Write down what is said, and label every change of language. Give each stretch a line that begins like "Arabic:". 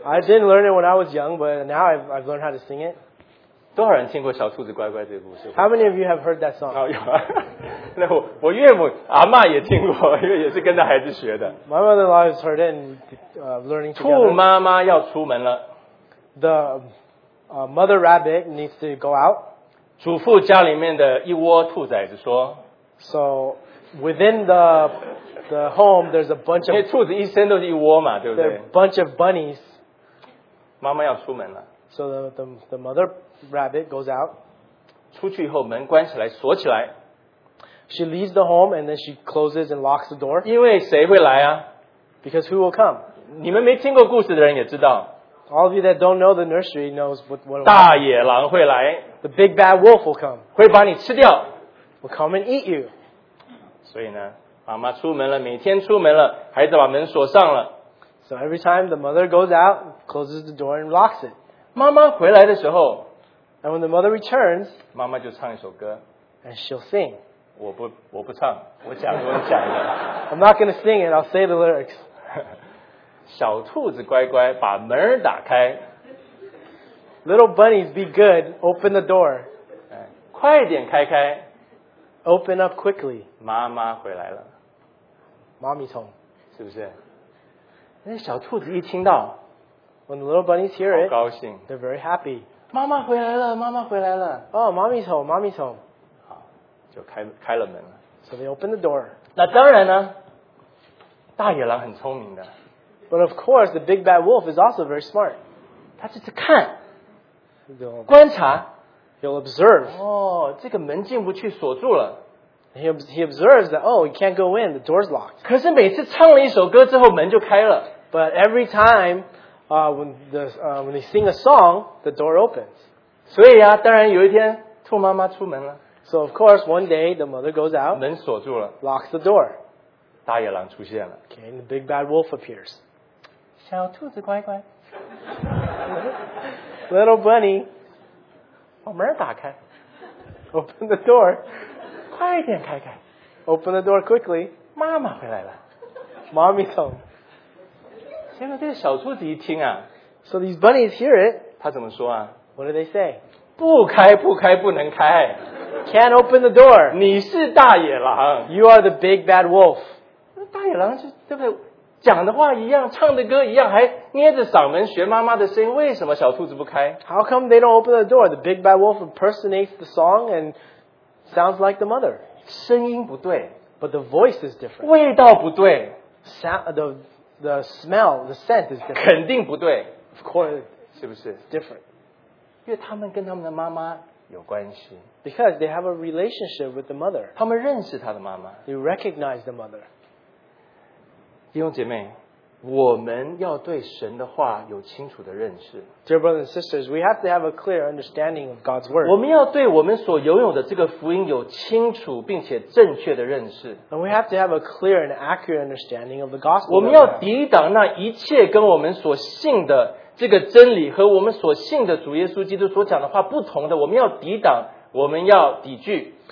English: I didn't learn it when I was young, but now I've learned how to sing it.
Chinese: 多少人听过小兔子乖乖这个故事？
English: How many of you have heard that song?
Chinese: 那我岳母阿嬷也听过，因为也是跟着孩子学的。
English: My mother-in-law has heard it and learning together.
Chinese: 兔妈妈要出门了。
English: The mother rabbit needs to go out.
Chinese: 嘱咐家里面的一窝兔崽子说。
English: So within the home, there's a bunch of...
Chinese: 因为兔子一生都是一窝嘛，对不对？
English: There are a bunch of bunnies.
Chinese: 妈妈要出门了。
English: So the mother rabbit goes out.
Chinese: 出去以后门关起来锁起来。
English: She leaves the home and then she closes and locks the door.
Chinese: 因为谁会来啊?
English: Because who will come?
Chinese: 你们没听过故事的人也知道。
English: All of you that don't know the nursery knows what
Chinese: 大野狼会来。
English: The big bad wolf will come.
Chinese: 会把你吃掉。
English: Will come and eat you.
Chinese: 所以呢, 妈妈出门了, 每天出门了, 孩子把门锁上了。
English: So every time the mother goes out, closes the door and locks it.
Chinese: 妈妈回来的时候,
English: and when the mother returns,
Chinese: 妈妈就唱一首歌,
English: and she'll sing.
Chinese: 我不唱, 我讲,
English: I'm not going to sing it, I'll say the lyrics.
Chinese: 小兔子乖乖把门打开。
English: Little bunnies, be good. Open the door.
Chinese: 快点开开。
English: Open up quickly.
Chinese: 妈妈回来了。
English: Mommy's home.
Chinese: 是不是？那小兔子一听到。
English: When the little bunnies hear it,
Chinese: 好高兴。
English: They're very happy.
Chinese: 妈妈回来了，妈妈回来了。
English: Oh, mommy's home, mommy's home.
Chinese: 好，就开了门了。
English: So they open the door.
Chinese: 那当然呢，大野狼很聪明的。
English: But of course, the big bad wolf is also very smart.
Chinese: 他就是看。
English: He'll,
Chinese: 观察
English: he'll observe.
Chinese: 哦，这个门进不去，锁住了。
English: He observes that, oh, you can't go in, the door's locked.
Chinese: 可是每次唱了一首歌之后，门就开了。
English: But every time, when they sing a song, the door opens.
Chinese: 所以啊，当然有一天，兔妈妈出门了。
English: So of course, one day, the mother goes out.
Chinese: 门锁住了。
English: Locks the door.
Chinese: 大野狼出现了。
English: Okay, and the big bad wolf appears.
Chinese: 小兔子乖乖。
English: Little bunny,
Chinese: 把门打开
English: open the door,
Chinese: 快点开开
English: open the door quickly,
Chinese: 妈妈回来了
English: mommy's home.
Chinese: 结果这个小兔子一听啊
English: so these bunnies hear it,
Chinese: 他怎么说啊
English: what do they say?
Chinese: 不开不开不能开
English: can't open the door,
Chinese: 你是大野狼
English: you are the big bad wolf.
Chinese: 大野狼是对不对讲的话一样，唱的歌一样，还捏着嗓门学妈妈的声音。为什么小兔子不开
English: ？How come they don't open the door? The big bad wolf impersonates the song and sounds like the mother.
Chinese: 声音不对
English: ，but the voice is different.
Chinese: 味道不对
English: ，the smell, the scent is different.
Chinese: 肯定不对
English: ，of course.
Chinese: 是不是
English: ？Different.
Chinese: 因为他们跟他们的妈妈有关系
English: ，because they have a relationship with the mother.
Chinese: 他们认识他的妈妈
English: ，they recognize the mother.
Chinese: 弟兄姐妹，我们要对神的话有清楚的认识。
English: Dear brothers and sisters, we have to have a clear understanding of God's word.
Chinese: 我们要对我们所拥有的这个福音有清楚并且正确的认识。
English: And we have to have a clear and accurate understanding of the gospel.
Chinese: 我们要抵挡那一切跟我们所信的这个真理和我们所信的主耶稣基督所讲的话不同的，我们要抵挡，我们要抵拒。